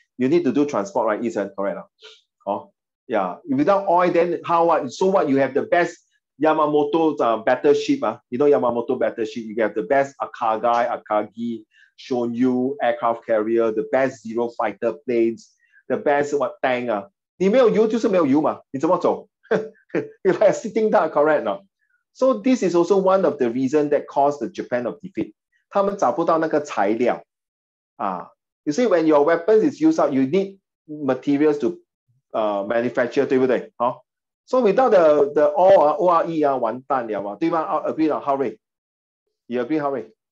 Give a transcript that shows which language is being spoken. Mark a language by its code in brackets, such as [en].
[en] You need to do transport, right, Ethan? Correct? Yeah. Without oil, then how? So what? You have the best Yamamoto battleship. You know Yamamoto battleship. You have the best Akagi, Shoryu aircraft carrier, the best Zero fighter planes, the best what tank. [zh] 你没有油就是没有油嘛, 你怎么走? [en] You're like a sitting duck, correct? No? So this is also one of the reasons that caused the Japan of defeat. [zh] 他们找不到那个材料. [en] You see, when your weapon is used up, you need materials to manufacture, [zh] 对不对? [en] Huh? So without the oil, ORE, [zh] 完蛋了嘛, 对吗? [en] Agree, no? How rate? You agree, how rate?